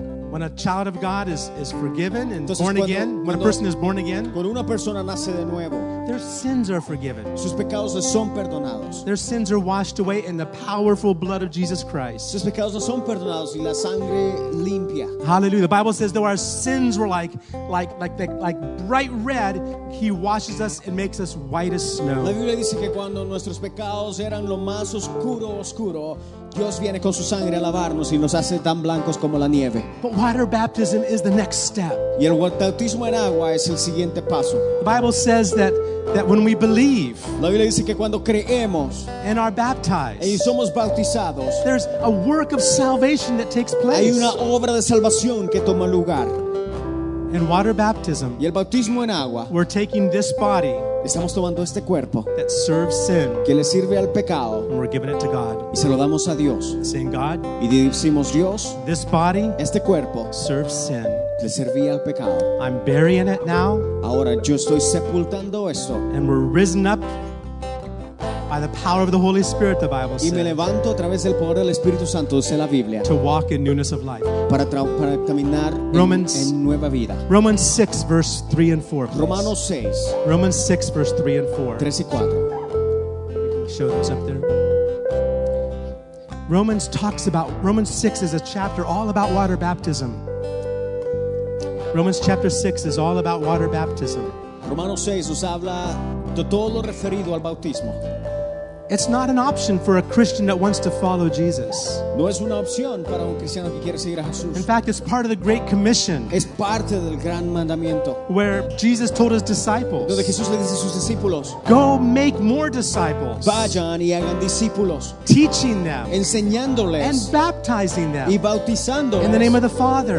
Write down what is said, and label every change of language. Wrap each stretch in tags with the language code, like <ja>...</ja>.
<en>When a child of God is forgiven and when a person is born again,</en> <es>cuando una persona nace de nuevo,</es> <en>their sins are forgiven.</en> <es>Sus pecados son perdonados.</es> <en>Their sins are washed away in the powerful blood of Jesus Christ.</en> <es>Sus pecados son perdonados y la sangre limpia.</es> <en>Hallelujah. The Bible says though our sins were like bright red, He washes us and makes us white as snow.</en> <es>La Biblia dice que cuando nuestros pecados eran lo más oscuro, oscuro, Dios viene con su sangre a lavarnos y nos hace tan blancos como la nieve.</es> <en>But water baptism is the next step.</en> <es>Y el bautismo en agua es el siguiente paso.</es> <en>The Bible says that when we believe,</en> <es>la Biblia dice que cuando creemos</es> <en>and are baptized,</en> <es>y somos bautizados,</es> <en>there's a work of salvation that takes place.</en> <es>Hay una obra de salvación que toma lugar.</es> <en>In water baptism,</en> <es>y el bautismo en agua,</es> <en>we're taking this body,</en> <es>estamos tomando este cuerpo,</es> <en>that serves sin,</en> <es>que le sirve al pecado,</es> <en>and we're giving it to God,</en> <es>y se lo damos a Dios,</es> <en>saying God,</en> <es>y decimos Dios,</es> <en>this body,</en> <es>este cuerpo,</es> <en>serves sin,</en> <es>le servía al pecado.</es> <en>I'm burying it now,</en> <es>ahora yo estoy sepultando esto,</es> <en>and we're risen up by the power of the Holy Spirit, the Bible says.</en> <es>Y me levanto a través del poder del Espíritu Santo, dice la Biblia.</es> <en>To walk in newness of life.</en> <es>Para caminar en nueva vida.</es> <en>Romans 6, verse 3 and 4.</en> <es>Romanos 6.</es> <en>Romans 6, verse 3 and 4.</en> <es>3 y 4.</es> <en>Show those up there. Romans 6 is a chapter all about water baptism. Romans chapter 6 is all about water baptism.</en> <es>Romanos 6 nos habla de todo lo referido al bautismo.</es> <en>It's not an option for a Christian that wants to follow Jesus.</en> <es>No es una opción para un cristiano que quiere seguir a Jesús.</es> <en>In fact, it's part of the Great Commission.</en> <es>Es parte del gran mandamiento.</es> <en>Where Jesus told his disciples.</en> <es>Donde Jesús le dice a sus discípulos.</es> <en>Go make more disciples.</en> <es>Vayan y hagan discípulos.</es> <en>Teaching them.</en> <es>Enseñándoles.</es> <en>And baptizing them.</en> <es>Y bautizándoles.</es> <en>In the name of the Father.</en>